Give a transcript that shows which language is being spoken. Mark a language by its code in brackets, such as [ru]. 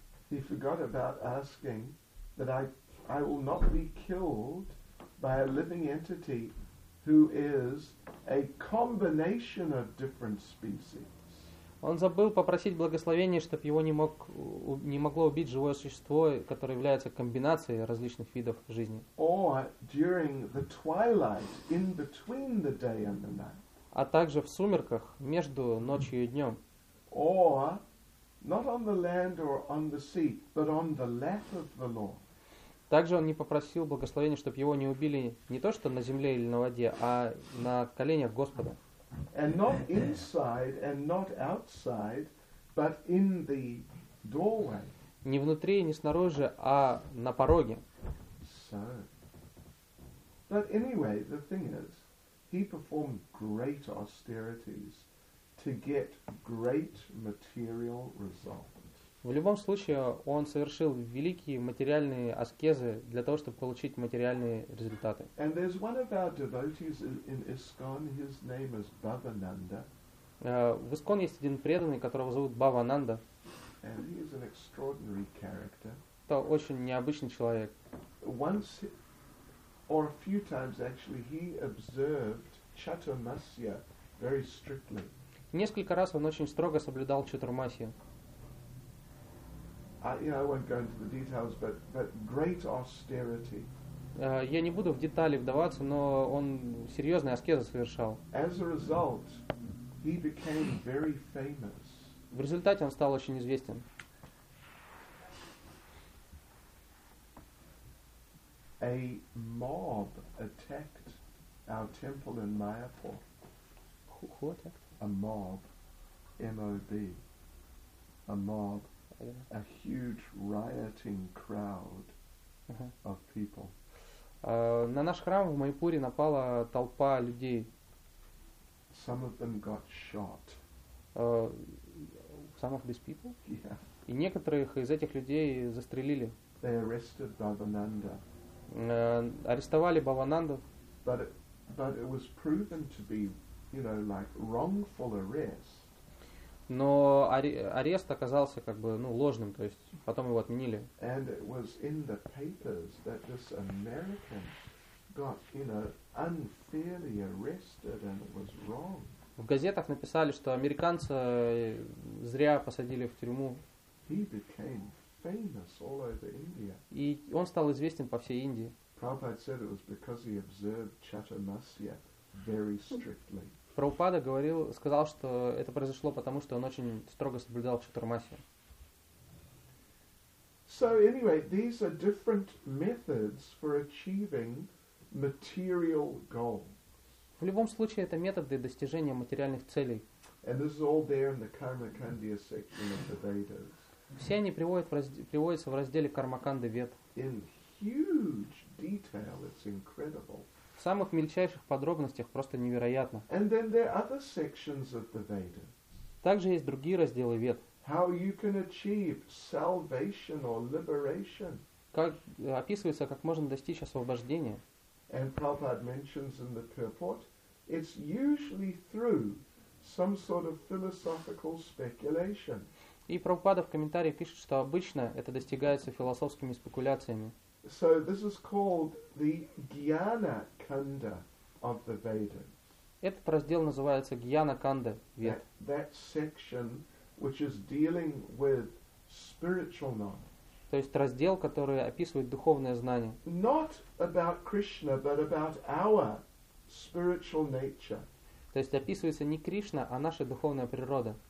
[en] He forgot about asking that I will not be killed by a living entity who is a combination of different species. [ru] Он забыл попросить благословения, чтобы его не могло убить живое существо, которое является комбинацией различных видов жизни. [en] Or during the twilight in between the day and the night. [ru] А также в сумерках между ночью и днем. [en] Or not on the land or on the sea, but on the lap of the Lord. [ru] Также он не попросил благословения, чтобы его не убили не то что на земле или на воде, а на коленях Господа. [en] And not inside and not outside, but in the doorway. [ru] Не внутри и не снаружи, а на пороге. [en] So. But anyway, the thing is, he performed great austerities to get great material results. [ru] В любом случае, он совершил великие материальные аскезы для того, чтобы получить материальные результаты. [en] And there's one of our devotees in ISKCON, his name is Bhavananda. [ru] В ISKCON есть один преданный, которого зовут Бхавананда. [en] And he is an extraordinary character. [ru] Это очень необычный человек. [en] Once, or a few times actually, he observed Chaturmasya very strictly. [ru] Несколько раз он очень строго соблюдал Чатурмасию. [en] I won't go into the details, but great austerity. [ru] Я не буду в детали вдаваться, но он серьезные аскезы совершал. [en] As a result, he became very famous. [ru] В результате он стал очень известен. [en] A mob attacked our temple in Mayapur. Who attacked? A mob, M-O-B, a mob. A huge rioting crowd of people. [ru] На наш храм в Майпуре напала толпа людей. [en] Some of them got shot. Some of these people? Yeah. [ru] И некоторых из этих людей застрелили. [en] They arrested Bhavananda. [ru] Арестовали Бхавананду. [en] But it was proven to be, you know, like wrongful arrest. [ru] Но арест оказался как бы ну ложным, то есть потом его отменили. [en] And it was in the papers that this American got, you know, unfairly arrested and it was wrong. [ru] В газетах написали, что американца зря посадили в тюрьму. [en] He became famous all over India. [ru] И он стал известен по всей Индии. [en] Prabhupada said it was because he observed Chaturmasya very strictly. [ru] Прабхупада говорил, сказал, что это произошло потому, что он очень строго соблюдал Чатурмасию. [en] So anyway, these are different methods for achieving material goals. [ru] В любом случае, это методы достижения материальных целей. [en] And this is all there in the Karmakandya section of the Vedas. [ru] Все они приводятся в разделе Кармаканды Вед. [en] In huge detail, it's incredible. [ru] В самых мельчайших подробностях просто невероятно. [en] And then there are other sections of the Veda. [ru] Также есть другие разделы Вед. [en] How you can achieve salvation or liberation. [ru] Как описывается, как можно достичь освобождения. [en] And Prabhupada mentions in the purport, it's usually through some sort of philosophical speculation. [ru] И Прабхупада в комментарии пишет, что обычно это достигается философскими спекуляциями. [en] So this is called the Gyana Kanda of the Vedas. [ru] Этот раздел называется Гьяна Канда Вед. [en] That section which is dealing with spiritual knowledge. [ru] То есть раздел, который описывает духовное знание. [en] Not about Krishna, but about our spiritual nature. [ru] То есть описывается не Кришна, а наша духовная природа.